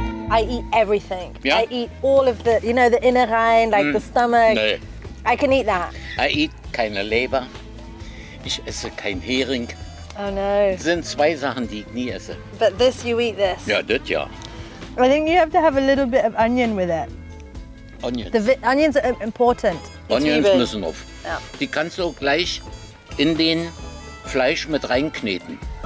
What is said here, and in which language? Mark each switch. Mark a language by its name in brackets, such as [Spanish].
[English] I eat everything. Yeah. I eat all of the, you know, the Innereien, like the stomach. [German] Nee. [English] I can eat that. I eat [German] keine Leber. Ich esse kein Hering. [English] Oh no. [German] Das sind zwei Sachen, die ich nie esse. [English] But this, you eat this. [German] Ja, das ja. [English] I think you have to have a little bit of onion with it. Onions. The onions are important. [German] Onions müssen auf. Ja. Die kannst du auch gleich in den Fleisch mit reinkneten.